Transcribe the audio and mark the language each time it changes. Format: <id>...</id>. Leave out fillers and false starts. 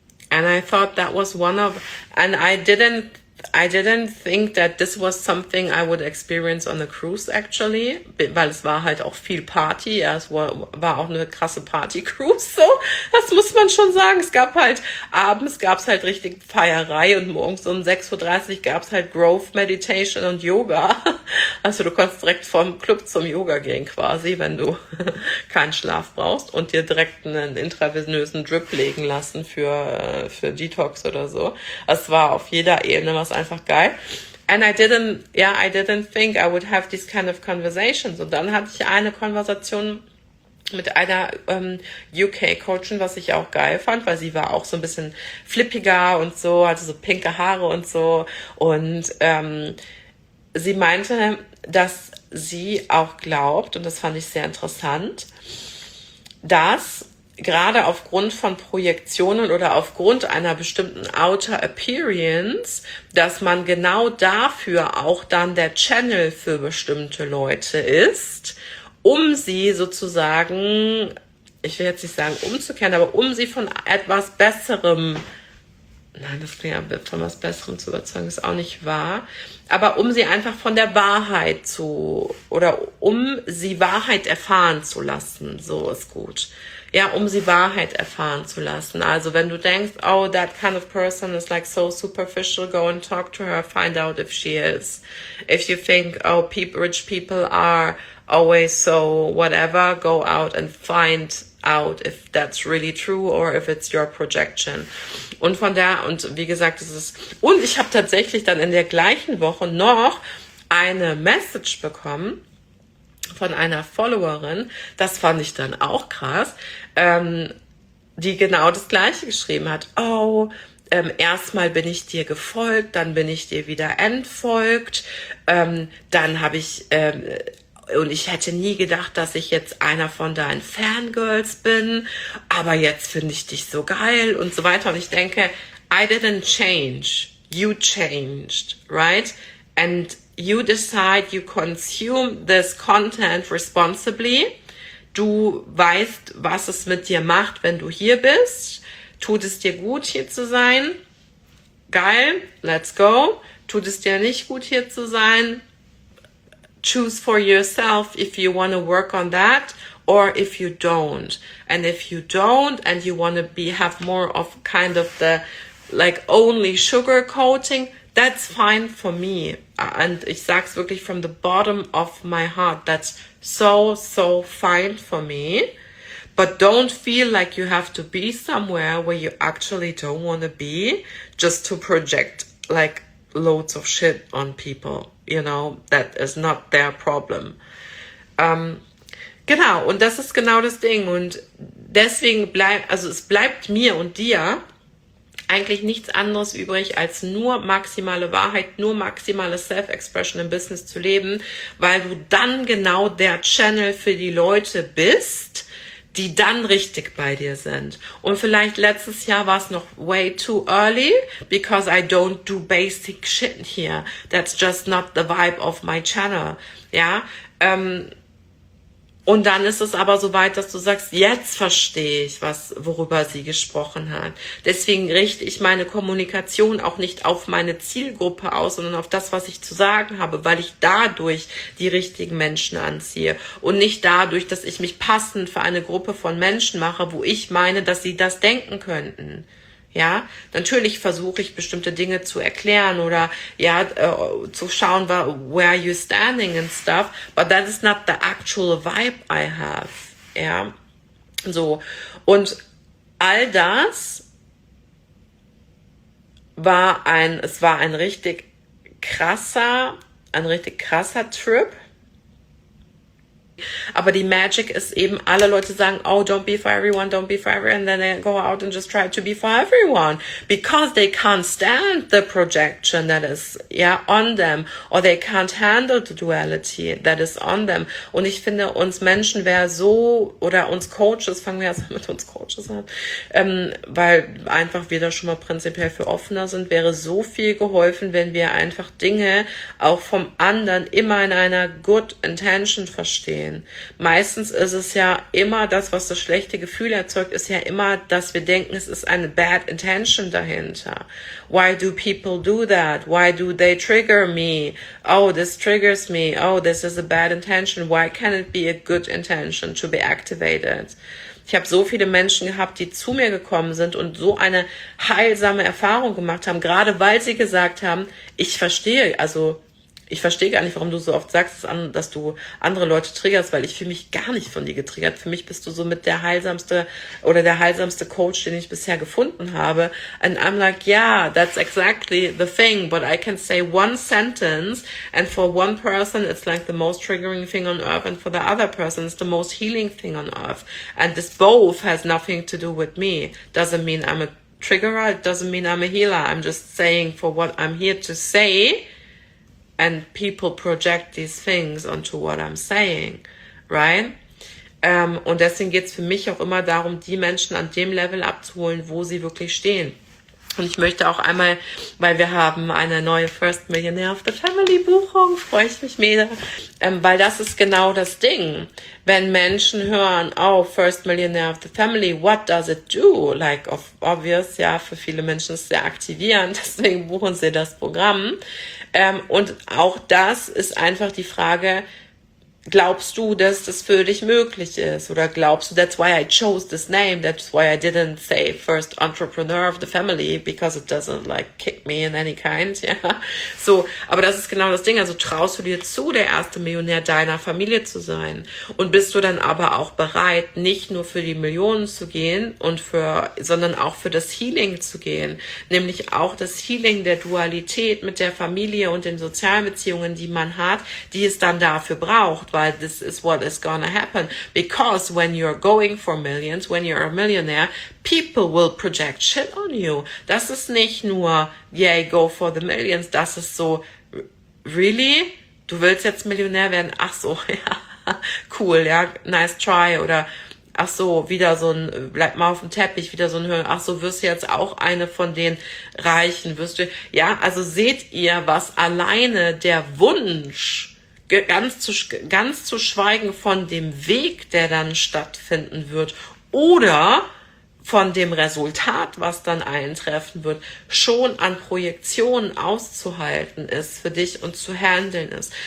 <en>And I thought that was one of, and I didn't think that this was something I would experience on a cruise, actually,</en> <de>weil es war halt auch viel Party, ja, es war auch eine krasse Party-Cruise, so, das muss man schon sagen, es gab halt, abends gab es halt richtig Feierei und morgens um 6.30 Uhr gab es halt Growth Meditation und Yoga, also du konntest direkt vom Club zum Yoga gehen quasi, wenn du keinen Schlaf brauchst und dir direkt einen intravenösen Drip legen lassen für Detox oder so, es war auf jeder Ebene was einfach geil.</de> <en>And I didn't think I would have these kind of conversations.</en> <de>Und dann hatte ich eine Konversation mit einer UK Coachin, was ich auch geil fand, weil sie war auch so ein bisschen flippiger und so, hatte so pinke Haare und so. Und sie meinte, dass sie auch glaubt, und das fand ich sehr interessant, dass gerade aufgrund von Projektionen oder aufgrund einer bestimmten Outer Appearance, dass man genau dafür auch dann der Channel für bestimmte Leute ist, um sie sozusagen, ich will jetzt nicht sagen umzukehren, aber um sie von etwas Besserem Nein, das wäre von was Besserem zu überzeugen, ist auch nicht wahr. Aber um sie einfach von der Wahrheit zu, oder um sie Wahrheit erfahren zu lassen, so ist gut. Ja, um sie Wahrheit erfahren zu lassen. Also wenn du denkst,</de> <en>oh, that kind of person is like so superficial, go and talk to her, find out if she is. If you think, oh, rich people are always so whatever, go out and find out if that's really true or if it's your projection.</en> <de>Und von da, und wie gesagt, es ist, und ich habe tatsächlich dann in der gleichen Woche noch eine Message bekommen von einer Followerin, das fand ich dann auch krass, die genau das gleiche geschrieben hat. Oh, erstmal bin ich dir gefolgt, dann bin ich dir wieder entfolgt, dann habe ich und ich hätte nie gedacht, dass ich jetzt einer von deinen Fangirls bin, aber jetzt finde ich dich so geil und so weiter. Und ich denke,</de> <en>I didn't change, you changed, right? And you decide, you consume this content responsibly.</en> <de>Du weißt, was es mit dir macht, wenn du hier bist. Tut es dir gut, hier zu sein? Geil,</de> <en>let's go.</en> <de>Tut es dir nicht gut, hier zu sein?</de> <en>Choose for yourself if you want to work on that or if you don't. And if you don't and you want to be have more of kind of the like only sugar coating, that's fine for me. And</en> <de>ich sag's wirklich</de> <en>from the bottom of my heart, that's so, so fine for me. But don't feel like you have to be somewhere where you actually don't want to be just to project like loads of shit on people. You know, that is not their problem.</en> <de>Genau, und das ist genau das Ding. Und deswegen bleibt, also es bleibt mir und dir eigentlich nichts anderes übrig, als nur maximale Wahrheit, nur maximale Self-Expression im Business zu leben, weil du dann genau der Channel für die Leute bist, die dann richtig bei dir sind. Und vielleicht letztes Jahr war es noch</de> <en>way too early, because I don't do basic shit here. That's just not the vibe of my channel.</en> <de>Ja. Und dann ist es aber so weit, dass du sagst, jetzt verstehe ich, was worüber sie gesprochen hat. Deswegen richte ich meine Kommunikation auch nicht auf meine Zielgruppe aus, sondern auf das, was ich zu sagen habe, weil ich dadurch die richtigen Menschen anziehe und nicht dadurch, dass ich mich passend für eine Gruppe von Menschen mache, wo ich meine, dass sie das denken könnten. Ja, natürlich versuche ich bestimmte Dinge zu erklären oder ja zu schauen,</de> <en>where you standing and stuff, but that is not the actual vibe I have.</en> <de>Ja, so, und all das war ein richtig krasser Trip. Aber die Magic ist eben, alle Leute sagen,</de> <en>oh, don't be for everyone, don't be for everyone, and then they go out and just try to be for everyone, because they can't stand the projection that is yeah, on them, or they can't handle the duality that is on them.</en> <de>Und ich finde, uns Menschen wäre so, oder uns Coaches, fangen wir erstmal mit uns Coaches an, weil einfach wir da schon mal prinzipiell für offener sind, wäre so viel geholfen, wenn wir einfach Dinge auch vom anderen immer in einer</de> <en>good intention</en> <de>verstehen. Meistens ist es ja immer das, was das schlechte Gefühl erzeugt, ist ja immer, dass wir denken, es ist eine</de> <en>bad intention</en> <de>dahinter.</de> <en>Why do people do that? Why do they trigger me? Oh, this triggers me. Oh, this is a bad intention. Why can't it be a good intention to be activated?</en> <de>Ich habe so viele Menschen gehabt, die zu mir gekommen sind und so eine heilsame Erfahrung gemacht haben, gerade weil sie gesagt haben, ich verstehe gar nicht, warum du so oft sagst, dass du andere Leute triggerst, weil ich fühle mich gar nicht von dir getriggert. Für mich bist du so mit der heilsamste oder der heilsamste Coach, den ich bisher gefunden habe.</de> <en>And I'm like, yeah, that's exactly the thing, but I can say one sentence and for one person it's like the most triggering thing on earth and for the other person it's the most healing thing on earth. And this both has nothing to do with me. Doesn't mean I'm a triggerer, it doesn't mean I'm a healer. I'm just saying for what I'm here to say. And people project these things onto what I'm saying, right?</en> <de>Und deswegen geht's für mich auch immer darum, die Menschen an dem Level abzuholen, wo sie wirklich stehen. Und ich möchte auch einmal, weil wir haben eine neue First Millionaire of the Family Buchung, freue ich mich mega, weil das ist genau das Ding. Wenn Menschen hören,</de> <en>oh, First Millionaire of the Family, what does it do? Like, of obvious,</en> <de>ja, für viele Menschen ist es sehr aktivierend, deswegen buchen sie das Programm. Und auch das ist einfach die Frage, glaubst du, dass das für dich möglich ist? Oder glaubst du,</de> <en>that's why I chose this name, that's why I didn't say first entrepreneur of the family, because it doesn't like kick me in any kind, ja?</en> <de>So, aber das ist genau das Ding. Also traust du dir zu, der erste Millionär deiner Familie zu sein? Und bist du dann aber auch bereit, nicht nur für die Millionen zu gehen, und für, sondern auch für das Healing zu gehen? Nämlich auch das Healing der Dualität mit der Familie und den sozialen Beziehungen, die man hat, die es dann dafür braucht.</de> <en>Weil this is what is gonna happen. Because when you're going for millions, when you're a millionaire, people will project shit on you.</en> <de>Das ist nicht nur,</de> <en>yay, go for the millions.</en> <de>Das ist so,</de> <en>really?</en> <de>Du willst jetzt Millionär werden? Ach so, ja, cool, ja, nice try. Oder, ach so, wieder so ein, bleib mal auf dem Teppich, wieder so ein Hören. Ach so, wirst du jetzt auch eine von den Reichen? Wirst du, ja, also seht ihr, was alleine der Wunsch, ganz zu schweigen von dem Weg, der dann stattfinden wird, oder von dem Resultat, was dann eintreffen wird, schon an Projektionen auszuhalten ist für dich und zu handeln ist.</de>